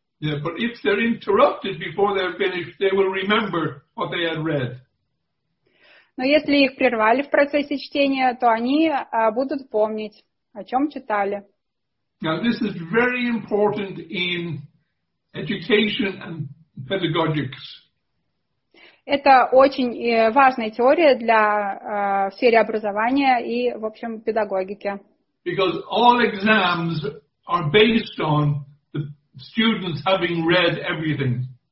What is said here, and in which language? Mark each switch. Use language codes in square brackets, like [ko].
[en] Yeah, but if they're interrupted before they're finished, they will remember what they had read. [ru] Но если их прервали в процессе чтения, то они будут помнить, о чем читали. [en] Now this is very important in education and pedagogics. [ru] Это очень важная теория для в сфере образования и, в общем, педагогики. [en] Because all exams are based on the students having read everything.